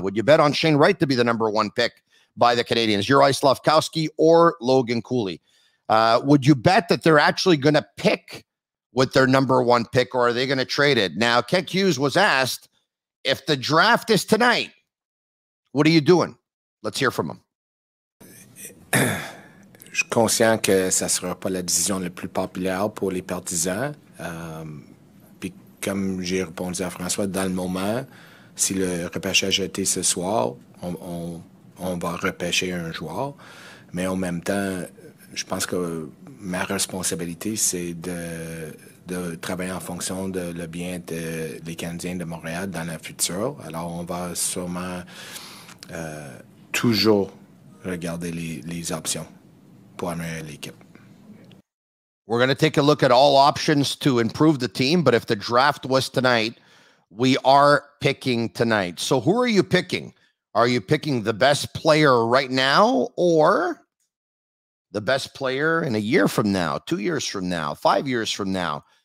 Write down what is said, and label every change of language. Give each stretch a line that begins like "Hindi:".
English: Would you bet on Shane Wright to be the number one pick by the Canadians, Juraj Slafkovský or Logan Cooley? Would you bet that they're actually going to pick with their number one pick, or are they going to trade it? Now, Kent Hughes was asked, if the draft is tonight, what are you doing? Let's hear from him.
French: Je suis conscient que ça sera pas la décision la plus populaire pour les partisans. Puis comme j'ai répondu à François, dans le moment, si le repêchage a été ce soir, on va repêcher un joueur. Mais en même temps, je pense que ma responsabilité, c'est de travailler en fonction de le bien des Canadiens de Montréal dans le futur. Alors on va sûrement toujours regarder les options.
English: We're going to take a look at all options to improve the team, but if the draft was tonight, we are picking tonight. So who are you picking? Are you picking the best player right now, or the best player in a year from now, 2 years from now, 5 years from now?